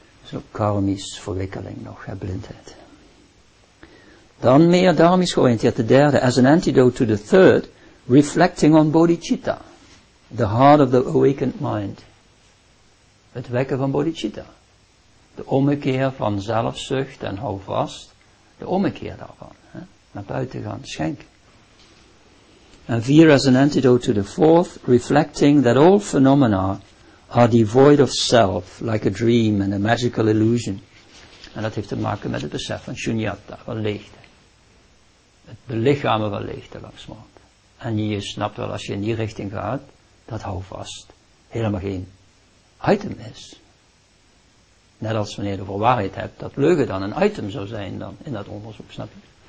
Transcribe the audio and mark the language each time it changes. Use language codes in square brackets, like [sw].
[nl] Zo, karmisch verwikkeling nog, hè, blindheid. Dan meer dharmisch georiënteerd, de derde, [en] as an antidote to the third, reflecting on bodhicitta, the heart of the awakened mind. [nl] Het wekken van bodhicitta. De ommekeer van zelfzucht en hou vast, de ommekeer daarvan, hè, naar buiten gaan, schenken. [en] And [nl] vier, [en] as an antidote to the fourth, reflecting that all phenomena are devoid of self, like a dream and a magical illusion. [nl] En dat heeft te maken met het besef van shunyata, van leegte. Het belichamen van leegte langzamerhand. En je snapt wel, als je in die richting gaat, dat houvast helemaal geen item is. Net als wanneer je de waarheid hebt, dat leugen dan een item zou zijn dan in dat onderzoek, snap je?